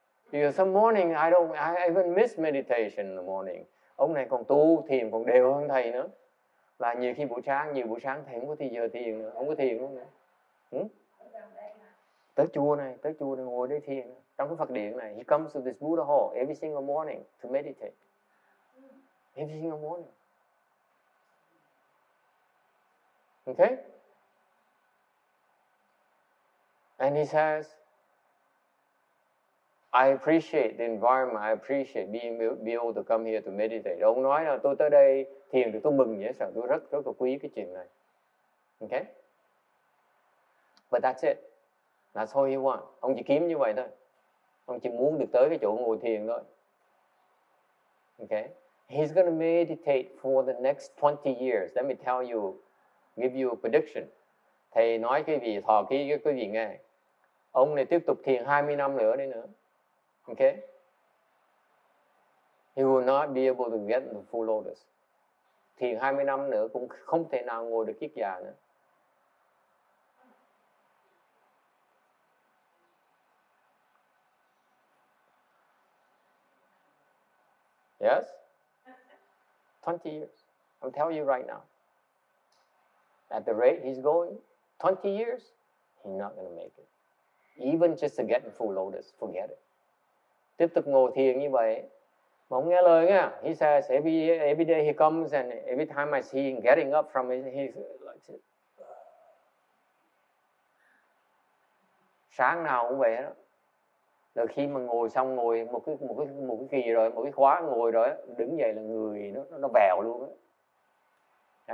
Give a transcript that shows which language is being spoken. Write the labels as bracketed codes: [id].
[en] Because some morning I even miss meditation in the morning. [vi] Ông này còn tu thiền còn đều hơn thầy nữa. Là nhiều khi buổi sáng, thì không có thì giờ thiền nữa, không có thiền luôn nữa. Ừ? Tới chùa này ngồi đây thiền. Trong cái Phật điện này, [en] he comes to this Buddha hall every single morning to meditate. Every single morning. Okay? And he says, I appreciate the environment, I appreciate being able to come here to meditate. [vi] Ông nói là tôi tới đây thiền thì tôi mừng dễ sợ, tôi rất rất là quý cái chuyện này. Okay? [en] But that's it. That's all he wants. [vi] Ông chỉ kiếm như vậy thôi. Ông chỉ muốn được tới cái chỗ ngồi thiền thôi. [en] Okay? He's going to meditate for the next 20 years. Let me tell you, give you a prediction. [vi] Thầy nói cái gì, thọ ký cái quý vị nghe. Ông này tiếp tục thiền 20 năm nữa đấy nữa. [en] Okay? He will not be able to get the full lotus. [vi] Thiền 20 năm nữa cũng không thể nào ngồi được kiết già nữa. [en] Yes? 20 years. I'm telling you right now. At the rate he's going, 20 years, he's not going to make it. Even just to get full lotus, forget it. [vi] Tiếp tục ngồi thiền như vậy. Mà ông nghe lời nghe. [en] He says, every day he comes and every time I see him getting up from his... [vi] Sáng nào cũng vậy đó. Là khi mà ngồi xong ngồi một cái kỳ rồi, một cái khóa ngồi rồi, đứng dậy là người nó vèo luôn á.